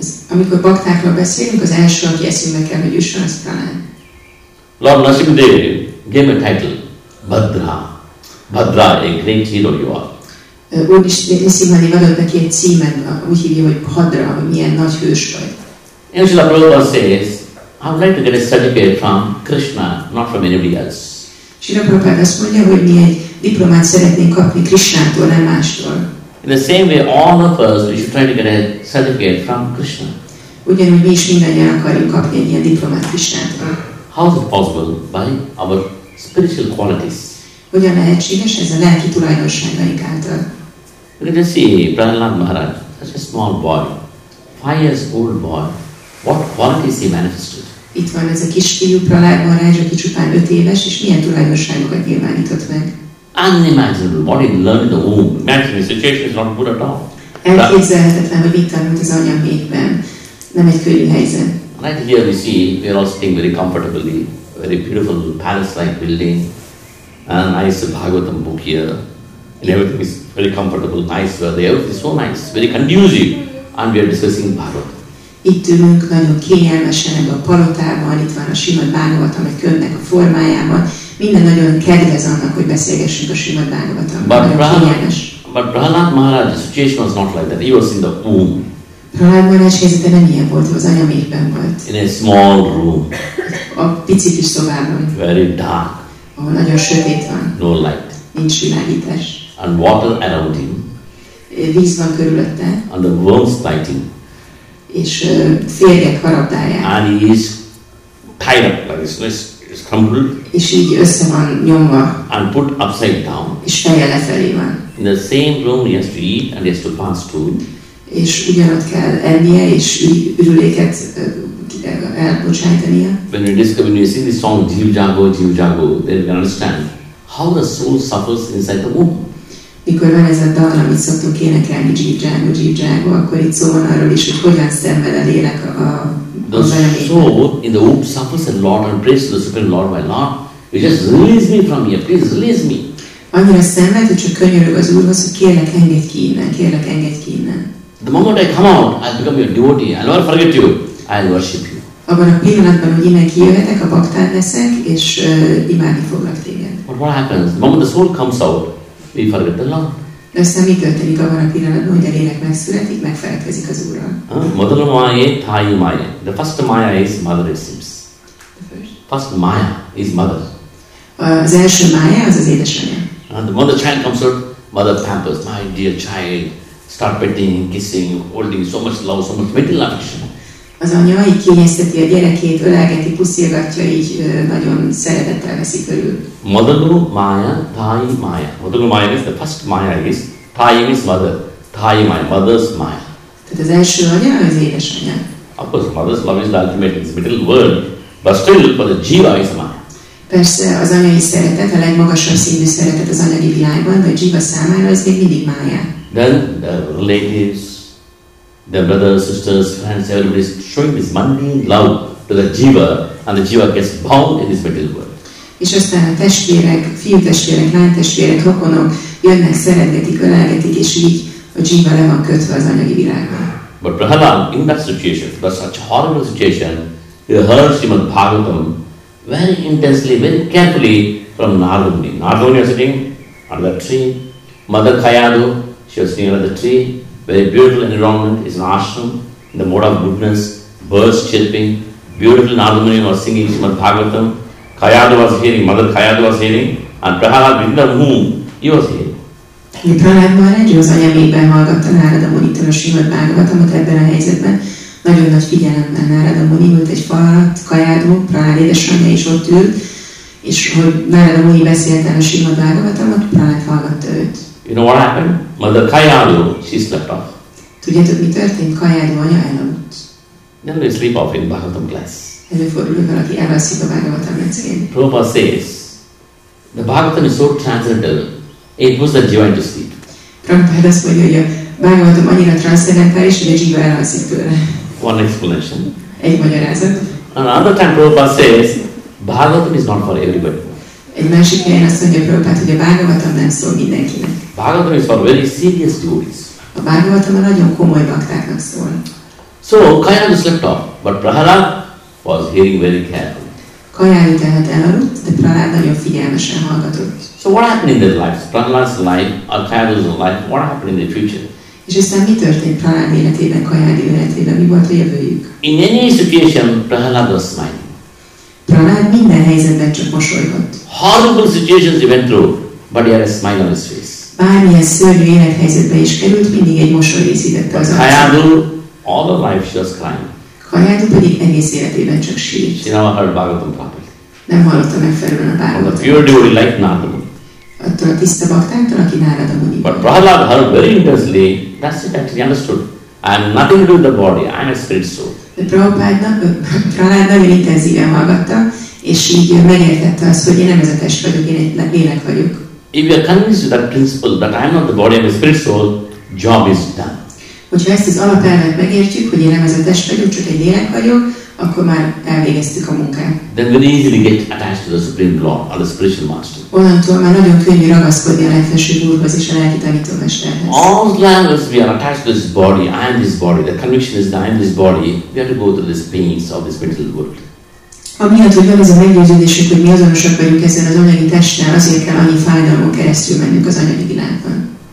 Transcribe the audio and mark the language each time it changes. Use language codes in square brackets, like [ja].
[hu] Amikor baktákról beszélünk, az első, aki eszünkbe kell, hogy üssön, az talán. [en] Lord Narasimhadev gave a title, Bhadra. Bhadra, a great hero you are. [hu] Úgy is Narasimhadev adott neki egy címet, úgy hívja, hogy Bhadra, hogy milyen nagy hős vagy. [en] And Srila Prabhupada says, I would like to get a certificate from Krishna, not from anybody else. [hu] Srila Prabhupada azt mondja, hogy mi egy diplomát szeretnénk kapni Krishnától, nem mástól. [en] In the same way, all of us, we should try to get a certificate from Krishna. [hu] Ugyanúgy mi is mindannyian akarjuk kapni egy ilyen diplomát Krishnától. [en] How is it possible? By our spiritual qualities. [hu] Hogyan lehetséges ez a lelki tulajdonságaink által? [en] We can see Prahlad Maharaj, such a small boy, 5 years old boy, what qualities he manifested. [hu] Itt van ez a kis fiú Prahlad Maharaj, aki csupán 5 éves, és milyen tulajdonságokat nyilvánított meg. [en] Unimaginable, what he learned in the womb. Imagine the situation is not good at all. [hu] Elképzelhetetlen, hogy mit tanult az anya méhben. Nem egy könnyű helyzet. [en] Right here we see, we are all sitting very comfortably, very beautiful palace-like building, and nice Bhagavatam book here, and everything is very comfortable, nice weather, everything is so nice, very conducive, and we are discussing Bhagavatam. [hu] Itt ülünk nagyon kényelmesen ebben a palotában, itt van a Srimad Bhagavatam, egy könyvnek a formájában, Minden nagyon kedvez annak, hogy beszélgessünk a Srimad Bhagavatamról. [en] But Prahlad Maharaj, the situation was not like that. He was in the womb. [hu] Prahlad Maharaj helyzete nem ilyen volt, az anyaméhben volt. [en] In a small room. [hu] A pici kis szobában. [en] Very dark. [hu] Ahol nagyon sötét van. [en] No light. [hu] Nincs világítás. [en] And water around him. [hu] Víz van körülötte. [en] And the worms biting. [hu] És férgek harapdálják. [en] And he is tied up like this. It's crumpled. [hu] És így össze van nyomva. [en] And put upside down. [hu] És feje lefelé van. [en] In the same room he has to eat and he has to pass through. [hu] És ugyanott kell ennie és ürüléket elbocsájtania. [en] When you discover, when you sing this song, Jiv Jago, then you can understand how the soul suffers inside the womb. [hu] Mikor van ez a dal, amit szoktunk énekelni, Jiv Jago, akkor itt szó van arról is, hogy hogyan szenved a lélek a [en] The soul in the womb suffers a lot and prays to the Supreme Lord by Lord. You just release me from here, please release me. [hu] Annyira szenved, hogy csak könyörög az Úrhoz, hogy kérlek, engedj ki innen, kérlek, engedj ki innen. [en] The moment I come out, I become your devotee, I never forget you, I'll worship you. [hu] Abban a pillanatban, hogy innen kijöhetek, a baktád leszek, és imádni foglak téged. [en] But what happens? The moment the soul comes out, we forget the Lord. [hu] De aztán mi történik abban a pillanatban, hogy a lélek megszületik, megfeledkezik az Úrral? [en] Mother Maya, Thai Maya. The first Maya is mother, it seems. The first? First Maya is mother. [hu] Az első Maya, az az édesanyja. [en] And the mother child comes out, mother pampers, my dear child, start petting, kissing, holding so much love, so much maternal affection. [hu] Az anya így kényezteti a gyerekét, ölelgeti, puszilgatja, így nagyon szeretettel veszi körül. [en] Madalu Maya, Thai Maya. Madalu Maya is the first Maya is, Thai is mother, Thai Maya, mother's Maya. [hu] Tehát az első anya, az édesanya. [en] Of course, mother's love is the ultimate, it's middle world, but still for the jiva is Maya. [hu] Persze az anyai szeretet, a legmagasabb színű szeretet az anyagi világban, de a dzsiva számára ez még mindig mája. [en] Then the relatives, the brothers, sisters, friends, everybody is showing this mundane love to the dzsiva, and the dzsiva gets bound in this material world. [hu] És aztán a testvérek, fiútestvérek, lánytestvérek, rokonok jönnek, szeretetik, ölelgetik, és így a dzsiva le van kötve az anyagi világban. [en] But Prahlad, in that situation, but such horrible situation, he heard Srimad Bhagavatam very intensely, very carefully from Narduni. Narduni was sitting under the tree. Mother Kayadu, she was sitting under the tree. Very beautiful environment, is an ashram, in the mode of goodness, birds chirping. Beautiful Narduni was singing Srimad Bhagavatam. Kayadu was hearing, Mother Kayadu was hearing, and Prahlad, within the womb, he was hearing. [hu] Prahlad Maharaj, az anyamében hallgatta Narada Munitól a Srimad Bhagavatamot ebben a helyzetben. Nagyon nagy figyelemmel Narada Muni ült egy fa alatt, Kayadu, Prahlad édesanyja is ott ült, és hogy Narada Muni beszélt el a Srimad Bhagavatamot, Prahlad hallgatta őt. [en] You know what happened? Mother Kayadu, she slept off. [hu] Tudjátok, mi történt? Kayadu anya elaludt. [en] Then they sleep off in Bhagavatam class. [hu] Előfordul, hogy valaki elalszik a Bhagavatam lecsén. [en] Prabhupada says, the Bhagavatam is so transcendental, it was the joy to sleep. [hu] Prabhupada azt mondja, hogy a Bhagavatam annyira transzendentális, hogy a dzsiva elalszik tőle. [en] One explanation. [hu] Egy magyarázat. [en] Another time Prabhupada says, Bhagavatam is not for everybody. [hu] Egy másik helyen azt mondja Prabhupada, hogy a Bhagavatam nem szól mindenkinek. [en] Bhagavatam is for very serious devotees. [hu] A Bhagavatam a nagyon komoly baktáknak szól. [en] So Kayadu slept off, but Prahlad was hearing very carefully. [hu] Kayadu tehát elaludt, de Prahlad nagyon figyelmesen hallgatott. [en] So what happened in their lives? Prahlad's life or Kayadu's life, what happened in the future? [hu] És aztán mi történt Prahlad életében, Kayadu életében? Mi volt a jövőjük? [en] In any situation, Prahlad was smiling. [hu] Prahlad minden helyzetben csak mosolygott. [en] Horrible situations he went through, but he had a smile on his face. [hu] Bármilyen szörnyű élethelyzetbe is került, mindig egy mosoly részítette az arcát. [en] Kayadu, all her life she was crying. [hu] Kayadu pedig egész életében csak sírt. [en] She never heard Bhagavatam properly. [hu] Nem hallotta megfelelően a Bhagavatam. [en] The pure devotee like Narada. [hu] Attól a tiszta baktáktól, aki Narada Muni. [en] But Prahlad heard very intensely, that's it actually understood. I have nothing to do with the body, I am a spirit soul. [hu] De Prahlad nagyon intenzíven hallgatta, és így megértette azt, hogy én nem ez a test vagyok, én egy lélek vagyok. [en] If you are convinced with that principle, that I am not the body, I am a spirit soul, job is done. [hu] Hogyha ezt az alapelvet megértjük, hogy én nem ez a test vagyok, csak egy lélek vagyok, akkor már elvégeztük a munkát. [en] Then very easily get attached to the Supreme Lord or the spiritual master. [hu] Onnantól már nagyon könnyű ragaszkodni a legfelsőbb úrhoz és a lelki tanító mesterhez. [en] All the levels we are attached to this body, I am this body, the conviction is that I am this body, we have to go through these pains of this material world. [hu] Amiatt, hogy van ez a meggyőződésük, hogy mi azonosak vagyunk ezzel az anyagi testtel, azért kell annyi fájdalmon keresztül mennünk az anyagi világban.